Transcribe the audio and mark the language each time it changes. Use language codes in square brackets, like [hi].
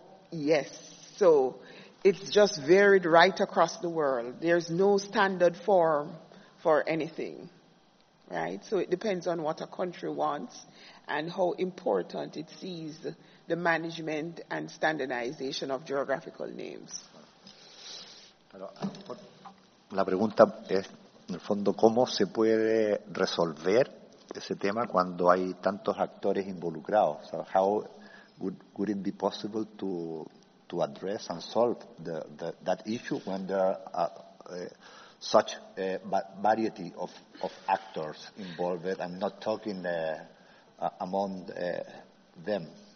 [en] Yes, so it's just varied right across the world. There's no standard form for anything, right? So it depends on what a country wants and how important it sees the management and standardization of geographical names. [es] La pregunta es, en el fondo, ¿cómo se puede resolver ese tema cuando hay tantos actores involucrados? [en] So how would it be possible to address and solve that issue when there are such a variety of actors involved and not talking among them?